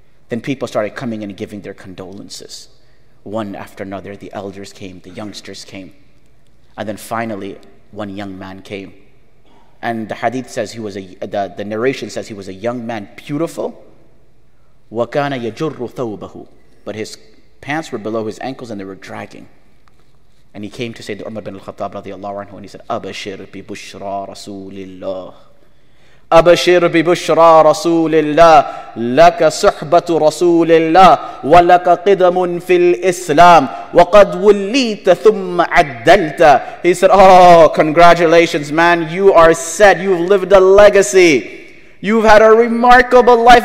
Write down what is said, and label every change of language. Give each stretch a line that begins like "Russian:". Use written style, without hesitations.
English: Then people started coming in and giving their condolences. One after another, the elders came, the youngsters came. And then finally, one young man came. And the hadith says he was the narration says he was a young man, beautiful.
Arabic: وَكَانَ يَجُرُّ ثَوْبَهُ.
English: But his pants were below his ankles and they were dragging. And he came to Sayyidina Umar bin al-Khattab radiallahu anhu, and he said,
Arabic: أَبَشِرْ بِبُشْرَى رَسُولِ اللَّهِ أَبَشِرْ بِبُشْرَى رَسُولِ اللَّهِ لَكَ صُحْبَةُ رَسُولِ اللَّهِ وَلَكَ قِدَمٌ فِي الْإِسْلَامِ وَقَدْ وُلِّيتَ ثُمَّ عَدَّلْتَ.
English: He said, oh, congratulations, man. You are set. You've lived a legacy. You've had a remarkable life.